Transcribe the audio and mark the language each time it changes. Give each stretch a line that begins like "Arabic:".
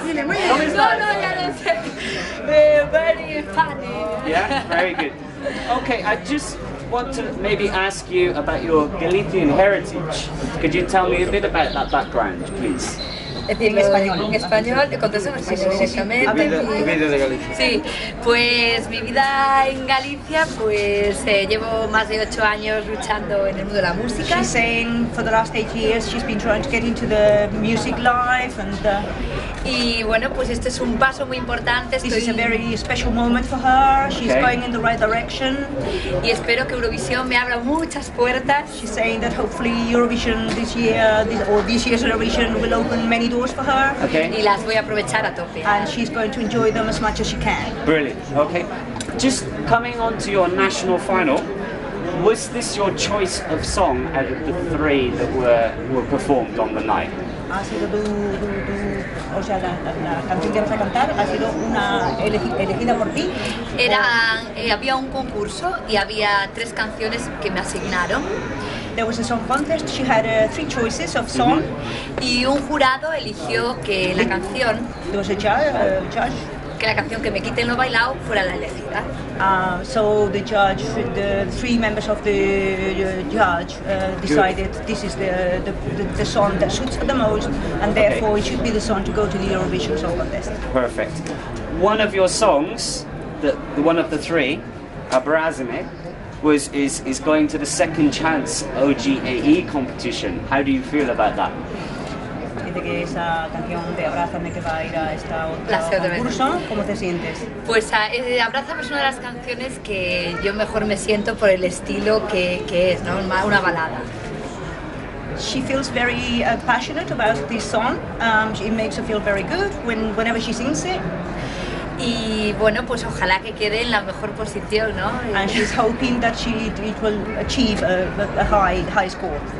Spanish: ¿Cómo estás? No, ya lo sé.
English: Very funny. Yeah, very good. Okay, I just want to maybe ask you about your Galician heritage. Could you tell me a bit about that background, please?
Spanish: Es decir, en español, te contesto exactamente. Sí, pues mi vida en Galicia, pues llevo más de 8 años luchando en el mundo de la música.
English: She's saying for the last 8 years she's been trying to get into the music life and the...
Spanish: Y bueno, pues este es un paso muy importante.
English: This is a very special moment for her. She's going in the right direction.
Spanish: Y espero que Eurovisión me abra muchas puertas.
English: She's saying that hopefully Eurovision this year, this year's Eurovision will open many doors for her.
Spanish: Y las voy a aprovechar a tope.
English: And she's going to enjoy them as much as she can. Brilliant. Okay. Just coming on to your national final, was this your choice of song out of the three that were performed on the night?
Spanish: Ha sido tu, o sea, la canción que vas a cantar ha sido una elegida por ti. Había un concurso y había tres canciones que me asignaron.
English: There was a song contest. She had three choices of song.
Spanish: Y un jurado eligió que la canción.
English: There was a judge.
Spanish: Que la canción que me quiten lo bailao fuera la elegida.
English: So the judge, the three members of the judge decided this is the song that suits her the most, and therefore it should be the song to go to the Eurovision Song Contest. Perfect. One of your songs, the one of the three, Abrazame, is going to the second chance OGAE competition. How do you feel about that?
Spanish: Que esa canción de Abrázame que va a ir a esta otra concurso, ¿cómo te sientes? Pues Abrázame es una de las canciones que yo mejor me siento por el estilo que es, ¿no? Una balada.
English: She feels very passionate about this song. It makes her feel very good whenever she sings it.
Spanish: Y bueno, pues ojalá que quede en la mejor posición, ¿no?
English: And she's hoping that it will achieve a high score.